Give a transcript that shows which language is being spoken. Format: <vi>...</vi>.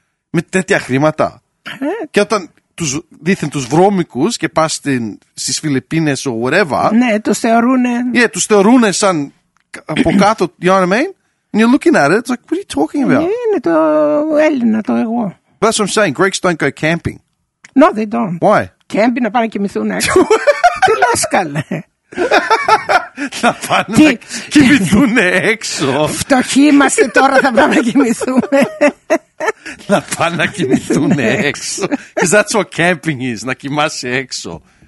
<el>Με τέτοια χρήματα. Και όταν τους δείχνουν τους βρώμικους και πας στις Φιλιππίνες or whatever. Ναι, τους θεωρούν.</el> <en>Yeah,</en> <el>τους θεωρούν σαν από κάτω,</el> <en>you know what I mean? And you're looking at it, it's like, what are you talking about?</en> <el>Είναι το Έλληνα, το εγώ.</el> <en>But that's what I'm saying, Greeks don't go camping. No, they don't. Why?</en> <el>Camping, να πάνε να κοιμηθούν έξω. Τι λες καλέ. Να πάνε να κοιμηθούν έξω. Φτωχοί είμαστε τώρα, θα πάμε να κοιμηθούμε. Να πάνε να κοιμηθούν έξω.</el> <en>Because that's what camping is,</en> <el>να κοιμάσαι έξω.</el>